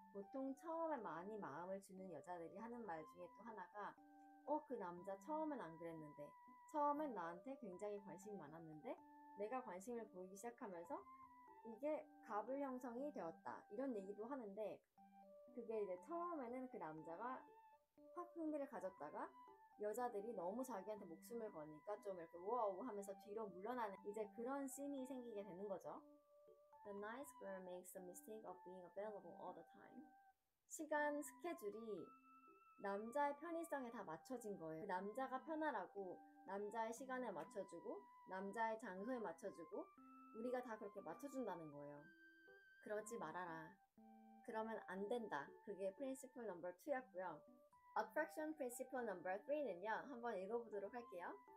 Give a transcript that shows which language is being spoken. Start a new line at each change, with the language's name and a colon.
Korean: 보통 처음에 많이 마음을 주는 여자들이 하는 말 중에 또 하나가, 그 남자 처음엔 안 그랬는데, 처음엔 나한테 굉장히 관심이 많았는데, 내가 관심을 보이기 시작하면서 이게 갑을 형성이 되었다. 이런 얘기도 하는데, 그게 이제 처음에는 그 남자가 확 흥미를 가졌다가, 여자들이 너무 자기한테 목숨을 거니까 좀 이렇게 우아우 하면서 뒤로 물러나는, 이제 그런 씬이 생기게 되는 거죠.
English: The nice girl makes the mistake of being available all the time.
Korean: 시간 스케줄이 남자의 편의성에 다 맞춰진 거예요. 그 남자가 편하라고 남자의 시간에 맞춰주고 남자의 장소에 맞춰주고 우리가 다 그렇게 맞춰준다는 거예요. 그러지 말아라. 그러면 안 된다. 그게
English: principle number 2
Korean: 였고요.
English: Attraction principle number 3
Korean: 는요. 한번 읽어보도록 할게요.